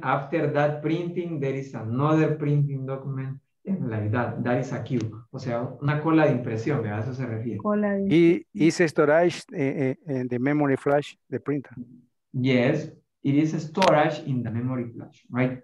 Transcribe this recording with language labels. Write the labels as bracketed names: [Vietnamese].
[English] After that printing, there is another printing document. And like that. That is a queue. [Spanish] O sea, una cola de impresión, ¿verdad? A eso se refiere. Cola de... [English] Is storage in the memory flash, the printer? Yes, it is storage in the memory flash, right?